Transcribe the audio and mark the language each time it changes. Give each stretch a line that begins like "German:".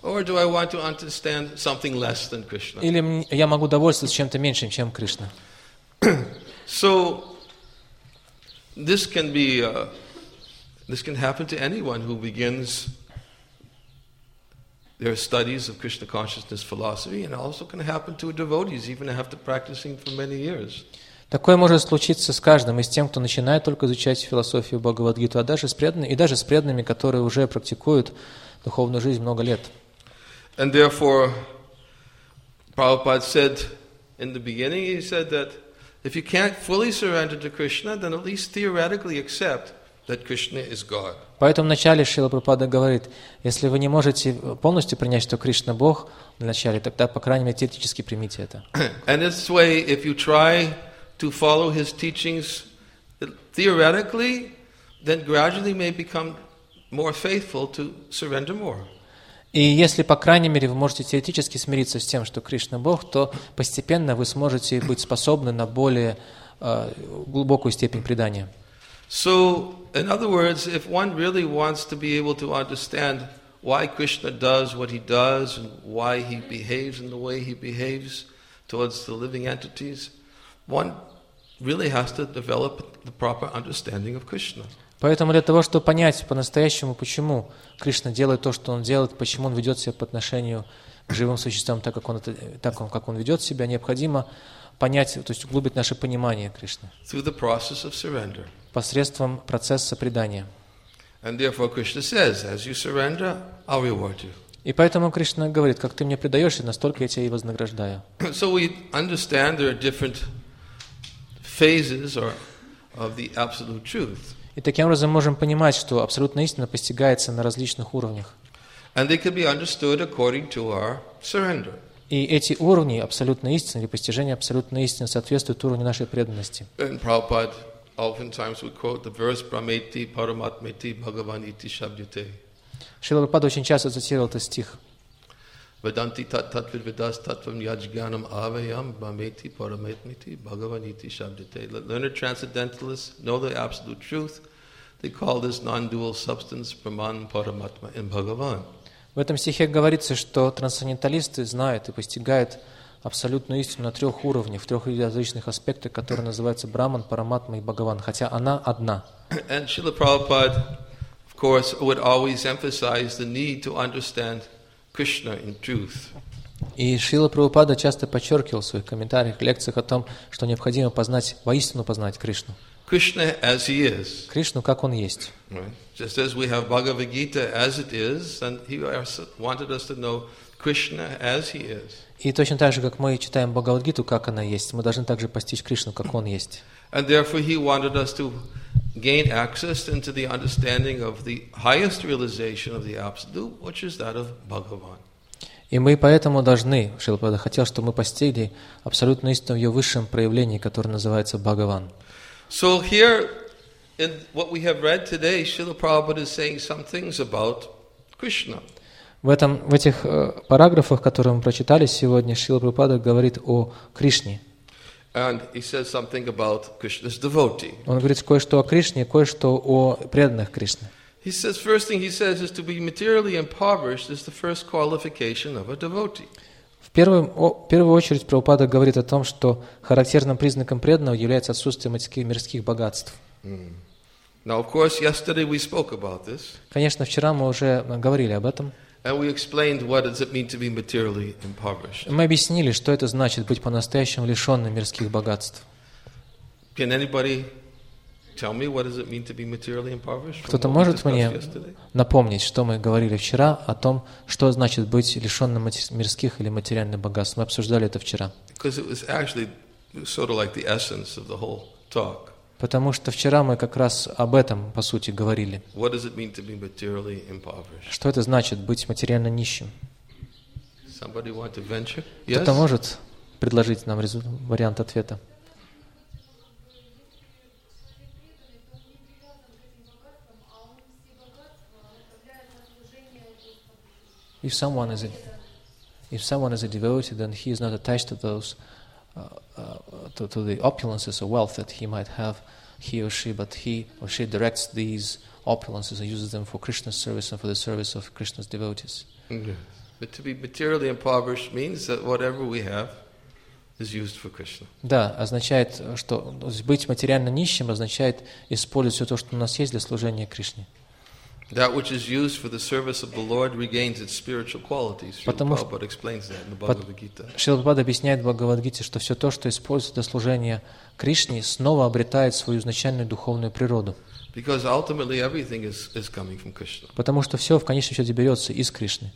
English: Or do I want to understand something less than Krishna?
Russian: Или я могу довольствоваться чем-то меньшим, чем Кришна?
English: So, this can happen to anyone who begins their studies of Krishna consciousness philosophy, and also can happen to devotees, even after practicing for many years.
Russian: Такое может случиться с каждым, и с тем, кто начинает только изучать философию Бхагавад-гиту, а даже с преданными, и даже с преданными, которые уже практикуют духовную жизнь много лет.
English: And therefore, Prabhupada said in the beginning, he said that if you can't fully surrender to Krishna, then at least theoretically accept that Krishna is God.
Russian: Поэтому вначале Шрила Прабхупада говорит, если вы не можете полностью принять, что Кришна Бог, вначале, тогда, по крайней мере, теоретически примите это.
English: And in this way, if you try to follow his teachings theoretically, then gradually may become more faithful to surrender more.
Russian: И если, по крайней мере, вы можете теоретически смириться с тем, что Кришна Бог, то постепенно вы сможете быть способны на более глубокую степень предания.
English: So, in other words, if one really wants to be able to understand why Krishna does what he does and why he behaves in the way he behaves towards the living entities, one really has to develop the proper understanding of Krishna.
Russian: Поэтому для того, чтобы понять по-настоящему, почему Кришна делает то, что он делает, почему он ведет себя по отношению к живым существам так, как он это, так он, как он ведет себя, необходимо понять, то есть углубить наше понимание Кришны.
English: Through the process of surrender.
Russian: Посредством процесса предания.
English: And therefore Krishna says, as you surrender, I'll reward you.
Russian: И поэтому Кришна говорит, как ты мне предаешь, и настолько я тебя и вознаграждаю.
English: So we understand there are different phases or of the absolute truth.
Russian: И таким образом можем понимать, что абсолютная истина постигается на различных уровнях.
English: And they can be understood according to our surrender.
Russian: И эти уровни абсолютной истины или постижения абсолютной истины соответствуют уровню нашей преданности.
English: And Prabhupada, oftentimes we quote the verse
Sanskrit: Brahmeti Paramatmeti Bhagavan Iti Shabdite.
Russian: Шрила Прабхупада очень часто цитировал этот стих.
Sanskrit: Vedanti tat tatvid vidas tatvam yajganam avayam bhameti paramatmiti bhagavaniti shabdite.
English: Learned transcendentalists know the absolute truth. They call this non-dual substance brahman paramatma in bhagavan.
Russian: В этом стихе говорится, что трансценденталисты знают и постигают абсолютную истину на трех уровнях, в трех различных аспектах, которые называются брахман, параматма и бхагаван, хотя она одна.
English: And Srila Prabhupada, of course, would always emphasize the need to understand Krishna in truth.
Russian: И Шрила Прабхупада часто подчеркивал в своих комментариях, лекциях о том, что необходимо познать, воистину познать Кришну.
English: Krishna as he is.
Russian: Кришну как он есть.
English: Right. Just as we have Bhagavad Gita as it is, and he wanted us to know Krishna as he is.
Russian: И точно так же, как мы читаем Бхагавад Гиту, как она есть, мы должны также постичь Кришну, как он есть.
English: And therefore he wanted us to gain access into the understanding of the highest realization of the absolute, which is that of Bhagavan.
Russian: И мы поэтому должны, Шрила Прабхупада хотел, чтобы мы постигли абсолютную истину в ее высшем проявлении, которое называется Бхагаван.
English: So here in what we have read today, Srila Prabhupada is saying some things about Krishna.
Russian: В этих параграфах, которые мы прочитали сегодня, Шрила Прабхупада говорит о Кришне.
English: And he says something about Krishna's devotee.
Russian: Он говорит кое-что о Кришне, кое-что о преданных Кришне.
English: He says, first thing he says is to be materially impoverished is the first qualification of a devotee.
Russian: В первую очередь Прабхупада говорит о том, что характерным признаком преданного является отсутствие мирских богатств.
English: Now, of course, yesterday we spoke about this.
Russian: Конечно, вчера мы уже говорили об этом.
English: And we explained what does it mean to be materially impoverished.
Russian: Мы объяснили, что это значит быть по-настоящему лишенным мирских богатств.
English: Can anybody tell me what does it mean to be materially impoverished?
Russian: Кто-то может мне напомнить, что мы говорили вчера о том, что значит быть лишенным мирских или материальных богатств? Мы обсуждали это вчера.
English: Because it was actually sort of like the essence of the whole talk.
Russian: Потому что вчера мы как раз об этом, по сути, говорили.
English: What does it mean to be materially impoverished?
Russian: Что это значит быть материально нищим?
English: Somebody want to venture? Yes?
Russian: Кто-то может предложить нам вариант ответа?
English: If someone is a devotee, then he is not attached to those to the opulences or wealth that he might have, he or she, but he or she directs these opulences and uses them for Krishna's service and for the service of Krishna's devotees. Mm-hmm. But to be materially impoverished means that whatever we have is used for Krishna.
Russian: Да, означает, что быть материально нищим означает использовать все то, что у нас есть для служения Кришне.
English: That which is used for the service of the Lord regains its spiritual qualities. Prabhupada explains that in the Bhagavad Gita.
Russian: Шрила Прабхупада объясняет в Бхагавад Гите, что все то, что используется для служения Кришне, снова обретает свою изначальную духовную природу.
English: Because ultimately everything is coming from Krishna.
Russian: Потому что все в конечном счете берется из Кришны.